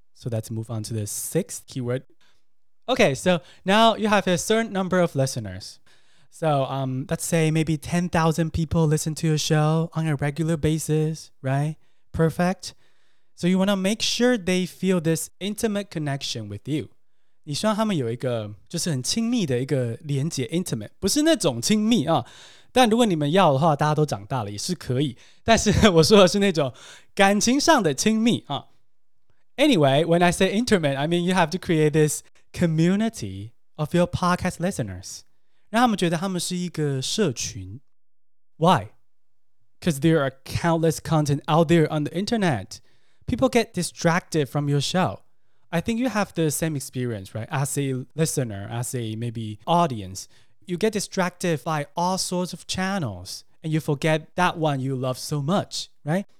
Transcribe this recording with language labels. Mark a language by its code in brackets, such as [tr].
[en] So let's move on to the sixth keyword. Okay, so now you have a certain number of listeners. So let's say maybe 10,000 people listen to your show on a regular basis, right? Perfect. So you want to make sure they feel this intimate connection with you. [zh] 你希望他们有一个就是很亲密的一个连接 intimate 不是那种亲密啊但如果你们要的话大家都长大了也是可以但是我说的是那种感情上的亲密啊 [en] Anyway, when I say intimate, I mean you have to create this community of your podcast listeners [zh] 让他们觉得他们是一个社群 [en] Why? Because there are countless content out there on the internet People get distracted from your showI think you have the same experience, right? As a listener, as a maybe audience, you get distracted by all sorts of channels and you forget that one you love so much, right?